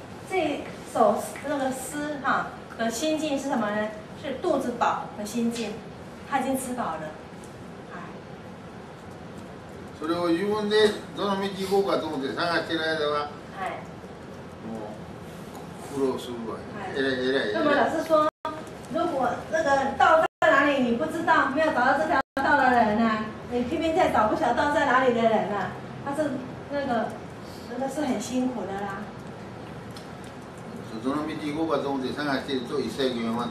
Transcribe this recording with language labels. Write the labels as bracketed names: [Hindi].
[Chinese] 这首诗哈的心境是什么呢？是肚子饱的心境，他已经吃饱了。 [Japanese] それを自分でどの道行こうかと思って探してる間は、もう苦労するわ。えらい。 [Chinese] 那么老师说，如果那个道在哪里你不知道，没有找到这条道的人呢、啊，你偏偏在找不晓道在哪里的人呢、啊，他是那个。真的是很辛苦的啦。所以，从那边经过，把东西上下去，做一生圆满